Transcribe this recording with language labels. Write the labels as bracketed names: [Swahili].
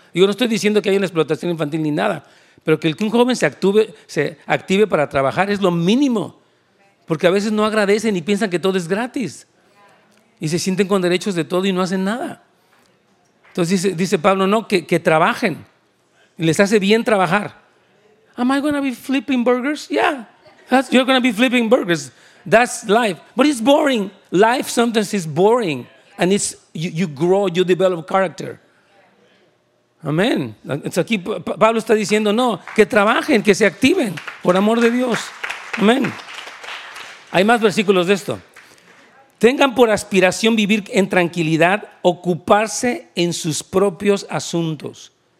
[Spanish] Digo, no estoy diciendo que haya una explotación infantil ni nada, pero que un joven se active para trabajar es lo mínimo. Porque a veces no agradecen y piensan que todo es gratis. Y se sienten con derechos de todo y no hacen nada. Entonces dice Pablo, no, que trabajen. Les hace bien trabajar. [English] Am I going to be flipping burgers? Yeah, you're going to be flipping burgers. That's life. But it's boring. Life sometimes is boring. And it's you grow, you develop character. [Spanish] Amén. Entonces aquí Pablo está diciendo, no, que trabajen, que se activen, por amor de Dios. Amén. Hay más versículos de esto. Tengan por aspiración vivir en tranquilidad, ocuparse en sus propios asuntos.